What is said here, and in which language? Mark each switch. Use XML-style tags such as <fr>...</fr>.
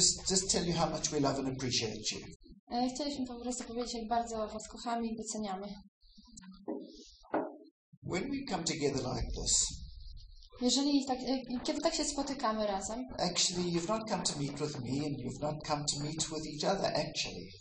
<en>Just tell you how much we love and appreciate you.</en> <pl>Chcieliśmy po prostu powiedzieć, jak bardzo was kochamy i doceniamy.</pl> <en>When we come together like this.</en> <pl>Jeżeli tak, kiedy tak się spotykamy razem.</pl> <en>Actually, you've not come to meet with me and you've not come to meet with each other actually.</en>